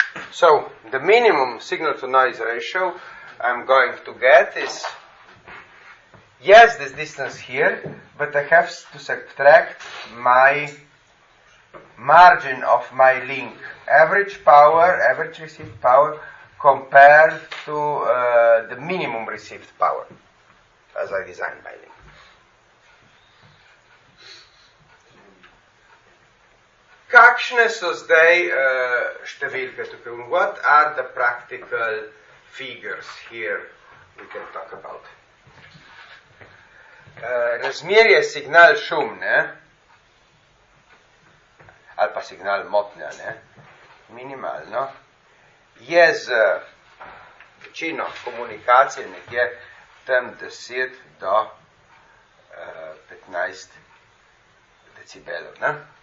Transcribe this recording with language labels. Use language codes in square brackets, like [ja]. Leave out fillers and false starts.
[en] So, the minimum signal to noise ratio I'm going to get is yes, this distance here, but I have to subtract my margin of my link, average power, average received power, compared to the minimum received power, as I designed my link. [sl] Kakšne so zdaj številke tukaj? [en] What are the practical figures here we can talk about? [sl] Razmerje signal šum, ne? Ali pa signal motnja, ne, minimalno, je z večino komunikacije nekje tam 10 do 15 decibelov. Ne?